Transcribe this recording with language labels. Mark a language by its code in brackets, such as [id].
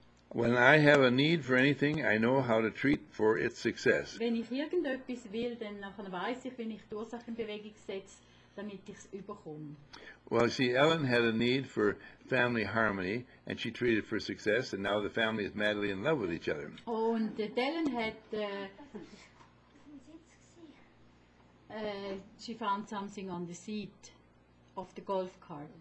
[en] When I have a need for anything, I know how to treat for its success. [de] Wenn ich irgendetwas will, dann weiß ich, wenn ich die Ursache in Bewegung setze, damit ich es überkomme. [en] Well, see, Ellen had a need for family harmony, and she treated for success, and now the family is madly in love with each other. [de] Und Ellen hat, [en] she found something on the seat of the golf cart.